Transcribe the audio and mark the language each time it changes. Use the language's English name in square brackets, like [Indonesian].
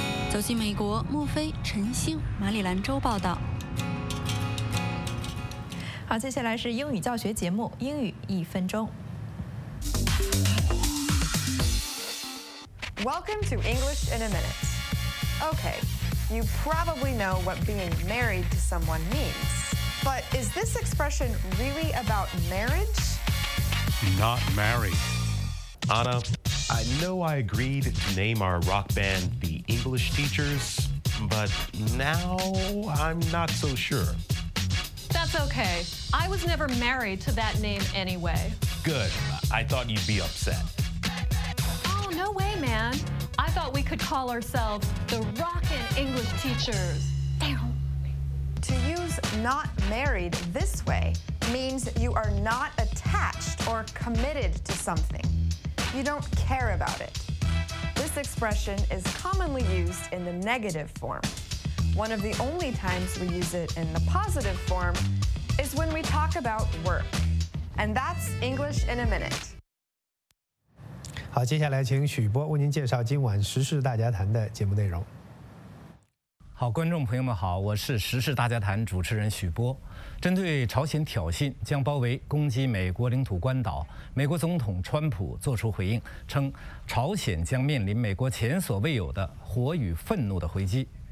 [Chinese] 走进美国，莫非、陈星、马里兰州报道。好，接下来是英语教学节目《英语一分钟》。 [English] Welcome to English in a Minute. Okay, you probably know what being married to someone means, but is this expression really about marriage? Not married. Anna, I know I agreed to name our rock band the English Teachers, but now I'm not so sure. That's okay. I was never married to that name anyway. Good. I thought you'd be upset. No way, man. I thought we could call ourselves the Rockin' English Teachers. To use not married this way means you are not attached or committed to something. You don't care about it. This expression is commonly used in the negative form. One of the only times we use it in the positive form is when we talk about work. And that's English in a Minute. [Chinese] 好，接下来请许波为您介绍今晚时事大家谈的节目内容。好，观众朋友们好，我是时事大家谈主持人许波。针对朝鲜挑衅将包围攻击美国领土关岛，美国总统川普作出回应，称朝鲜将面临美国前所未有的火与愤怒的回击。